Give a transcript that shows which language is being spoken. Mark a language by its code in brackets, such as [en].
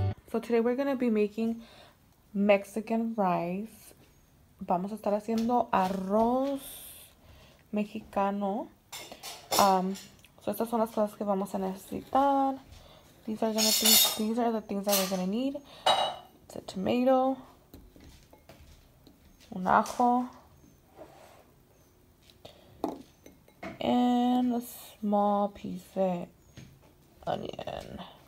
[en] So today we're going to be making Mexican rice. [es] Vamos a estar haciendo arroz mexicano. So estas son las cosas que vamos a necesitar. [en] These are the things that we're going to need. It's a tomato. [es] Un ajo. [en] And a small piece of onion.